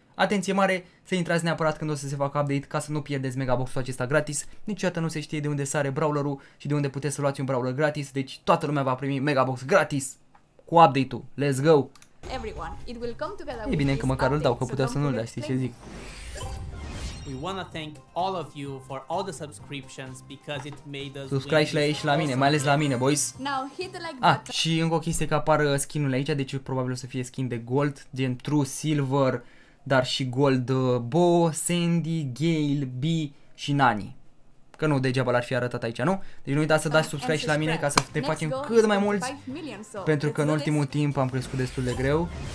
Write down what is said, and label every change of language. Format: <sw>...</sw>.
<ro>Atenție mare, să intrați neapărat când o să se facă update ca să nu pierdeți megaboxul acesta gratis. Niciodată nu se știe de unde sare brawlerul și de unde puteți să luați un brawler gratis, deci toată lumea va primi megabox gratis cu update-ul.</ro> <en>Let's go! It will come together.</en> <ro>E bine că măcar update, îl dau, că putea să nu-l dea, știi ce zic.</ro> <en>We want to thank all of you for all the subscriptions because it made us.</en> <ro>Subscribe și la ei și la mine, mai ales la mine, boys.</ro> <en>Now hit the like button.</en> <ro>Și încă o chestie, că apar skin-urile aici, deci probabil o să fie skin de gold, gen True Silver, dar și gold Bo, Sandy, Gale, B și Nani. Că nu degeaba l-ar fi arătat aici, nu? Deci nu uitați să dați subscribe și la mine ca să ne facem cât mai mulți, pentru că în ultimul timp am crescut destul de greu.</ro>